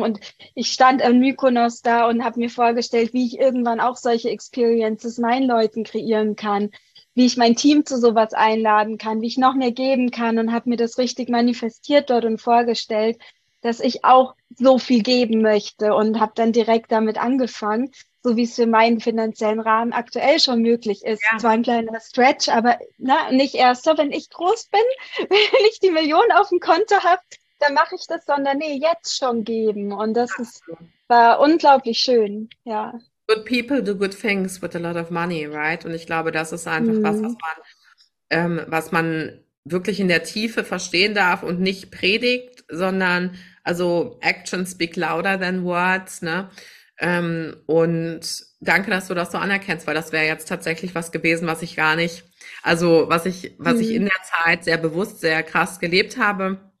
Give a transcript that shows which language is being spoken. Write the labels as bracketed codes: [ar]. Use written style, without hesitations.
[de] Und ich stand in Mykonos da und habe mir vorgestellt, wie ich irgendwann auch solche Experiences meinen Leuten kreieren kann, wie ich mein Team zu sowas einladen kann, wie ich noch mehr geben kann und habe mir das richtig manifestiert dort und vorgestellt, dass ich auch so viel geben möchte und habe dann direkt damit angefangen, so wie es für meinen finanziellen Rahmen aktuell schon möglich ist. Zwar ein kleiner Stretch, aber na, nicht erst so, wenn ich groß bin, wenn ich die Millionen auf dem Konto habe, dann mache ich das, sondern nee, jetzt schon geben. Und das war unglaublich schön, ja. [en] Good people do good things with a lot of money, right? [de] Und ich glaube, das ist einfach was man wirklich in der Tiefe verstehen darf und nicht predigt, sondern also [en] actions speak louder than words, [de] ne? Und danke, dass du das so anerkennst, weil das wäre jetzt tatsächlich was gewesen, was ich gar nicht, also was ich in der Zeit sehr bewusst, sehr krass gelebt habe.